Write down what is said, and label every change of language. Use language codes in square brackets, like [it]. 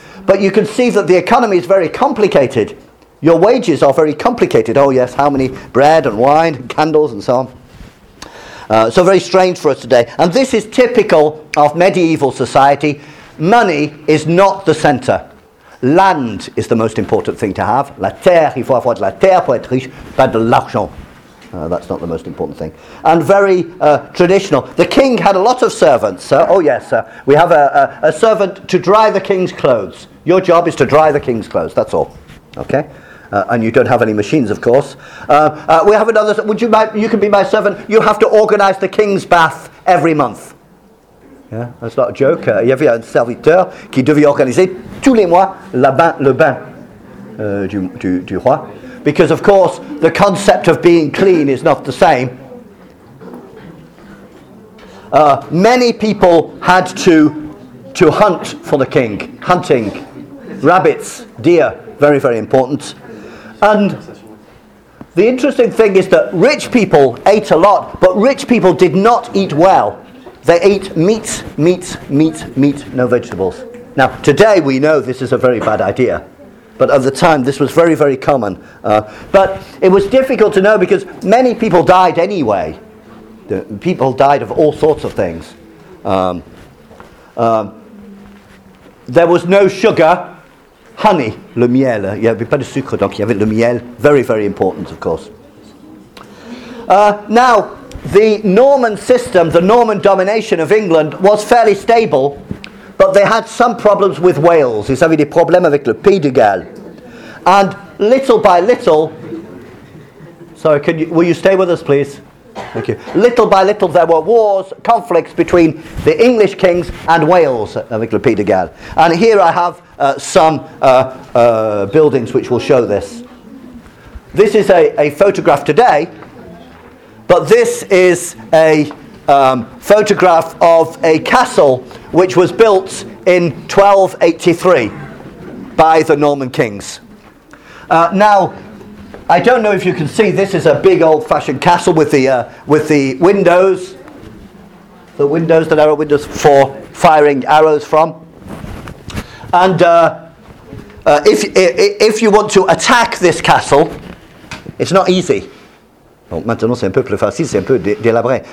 [en] But you can see that the economy is very complicated. Your wages are very complicated. Oh yes, how many bread and wine and candles and so on. So very strange for us today. And this is typical of medieval society. Money is not the center. Land is the most important thing to have. [fr] La terre, il faut avoir de la terre pour être riche, pas de l'argent. [en] That's not the most important thing. And very traditional. The king had a lot of servants. We have a servant to dry the king's clothes. Your job is to dry the king's clothes, that's all. Okay? And you don't have any machines, of course. We have another. You can be my servant. You have to organize the king's bath every month. Yeah, that's not a joke. [fr] Il y avait un serviteur qui devait organiser tous les mois le bain du roi. [en] Because, of course, the concept of being clean is not the same. Many people had to hunt for the king. Hunting. Rabbits, deer, very, very important. And the interesting thing is that rich people ate a lot, but rich people did not eat well. They ate meat, no vegetables. Now, today we know this is a very bad idea. But at the time, this was very, very common. But it was difficult to know because many people died anyway. People died of all sorts of things. There was no sugar. Honey, le miel. [fr] Il n'y avait pas de sucre, donc il y avait le miel. [en] Very, very important, of course. Now, the Norman system, the Norman domination of England, was fairly stable. But they had some problems with Wales. [fr] Ils avaient des problèmes avec le Pays de Galles. [en] And little by little... Sorry, will you stay with us, please? Thank you. Little by little, there were wars, conflicts between the English kings and Wales, [fr] avec le Pays de Galles. [en] And here I have some buildings which will show this. This is a photograph today, but this is a photograph of a castle which was built in 1283 by the Norman kings. Now, I don't know if you can see, this is a big old-fashioned castle with the windows. The windows, the narrow windows for firing arrows from. And if you want to attack this castle, it's not easy. [fr] Bon, maintenant c'est un peu plus facile, c'est un peu délabré.